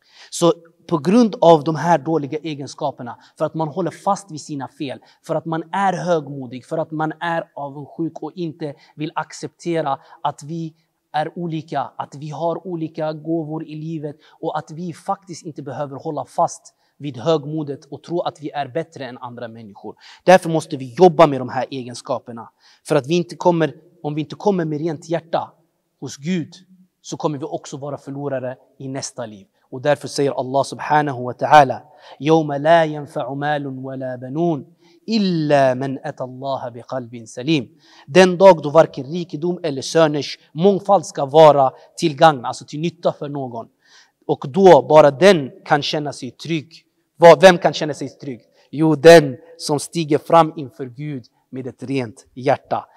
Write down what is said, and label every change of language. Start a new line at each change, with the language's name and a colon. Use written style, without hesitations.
Swedish: Så på grund av de här dåliga egenskaperna, för att man håller fast vid sina fel, för att man är högmodig, för att man är avundsjuk och inte vill acceptera att vi är olika, att vi har olika gåvor i livet och att vi faktiskt inte behöver hålla fast vid högmodet och tro att vi är bättre än andra människor. Därför måste vi jobba med de här egenskaperna. För att om vi inte kommer med rent hjärta hos Gud, så kommer vi också vara förlorare i nästa liv. Och därför säger Allah subhanahu wa ta'ala:
Arabic: يَوْمَ لَا يَنْفَعُ مَالٌ وَلَا بَنُونَ إِلَّا مَنْ أَتَى اللَّهَ بِقَلْبٍ سَلِيمٍ.
Swedish: Den dag då varken rikedom eller söners mångfald ska vara till gagn, alltså till nytta för någon. Och då bara den kan känna sig trygg. Vem kan känna sig trygg? Jo, den som stiger fram inför Gud med ett rent hjärta.